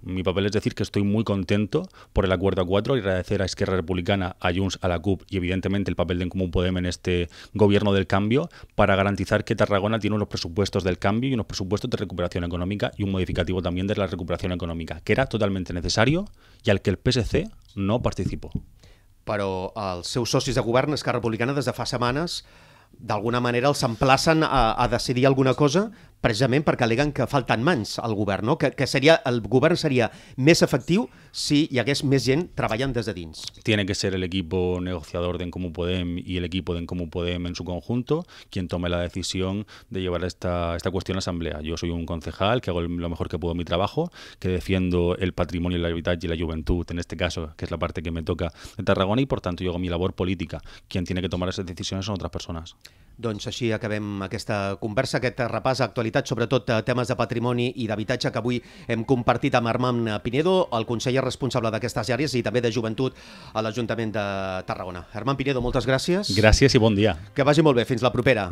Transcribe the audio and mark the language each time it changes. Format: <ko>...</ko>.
<es>Mi papel es decir que estoy muy contento por el acuerdo a 4 y agradecer a Esquerra Republicana, a Junts, a la CUP y, evidentemente, el papel de En Comú Podem en este gobierno del cambio para garantizar que Tarragona tiene unos presupuestos del cambio y unos presupuestos de recuperación económica y un modificativo también de la recuperación económica, que era totalmente necesario y al que el PSC no participó.</es> <ca>Però els seus socis de govern, Esquerra Republicana, des de fa setmanes, d'alguna manera els emplacen a decidir alguna cosa precisament perquè aleguen que falten mans al govern, no? Que seria, el govern seria més efectiu si hi hagués més gent treballant des de dins.</ca> <es>Tiene que ser el equipo negociador de En Comú Podem y el equipo de En Comú Podem en su conjunto quien tome la decisión de llevar esta cuestión a asamblea. Yo soy un concejal que hago lo mejor que puedo en mi trabajo, que defiendo el patrimonio, la vida y la juventud, en este caso, que es la parte que me toca de Tarragona, y por tanto yo hago mi labor política. Quien tiene que tomar esas decisiones son otras personas.</es> <ca>Doncs així acabem aquesta conversa, aquest repàs d'actualitat, sobretot temes de patrimoni i d'habitatge, que avui hem compartit amb Armand Pinedo, el conseller responsable d'aquestes àrees i també de joventut a l'Ajuntament de Tarragona. Armand Pinedo, moltes gràcies. Gràcies i bon dia. Que vagi molt bé, fins la propera.</ca>